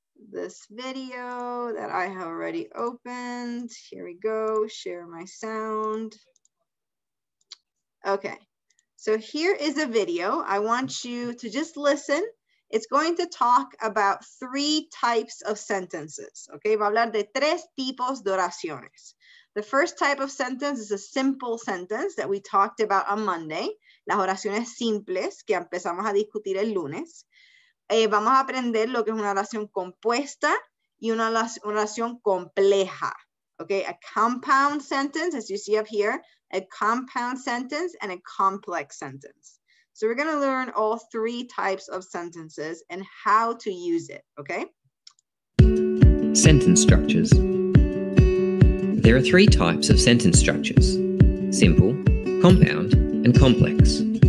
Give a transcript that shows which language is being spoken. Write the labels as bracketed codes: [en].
[en] this video that I have already opened. Here we go, share my sound. Okay, so here is a video. I want you to just listen. It's going to talk about three types of sentences, okay? [es] Va a hablar de tres tipos de oraciones. [en] The first type of sentence is a simple sentence that we talked about on Monday. [es] Las oraciones simples que empezamos a discutir el lunes. Vamos a aprender lo que es una oración compuesta y una oración compleja, okay? [en] A compound sentence, as you see up here, a compound sentence and a complex sentence. So we're going to learn all three types of sentences and how to use it, okay? Sentence structures. There are three types of sentence structures: simple, compound, and complex.